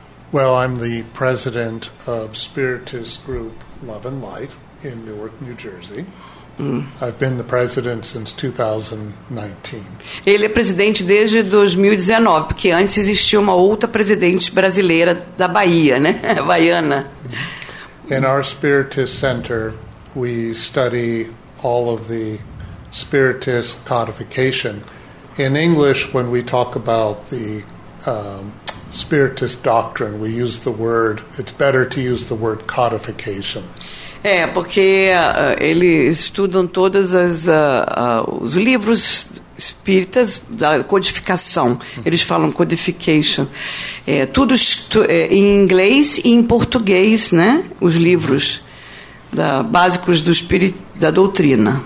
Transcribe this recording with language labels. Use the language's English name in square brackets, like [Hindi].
[English] Well, I'm the president of Spiritist Group Love and Light in Newark, New Jersey. I've been the president since 2019. [Portuguese] Ele é presidente desde 2019, porque antes existia uma outra presidente brasileira da Bahia, né? Baiana. [English] In our Spiritist Center, we study all of the Spiritist codification. In English, when we talk about the Spiritist doctrine, we use the word, it's better to use the word codification. [Portuguese] Porque eles estudam todos os livros espíritas da codificação. Eles falam codification. Em inglês e em português, né? Os livros básicos da doutrina.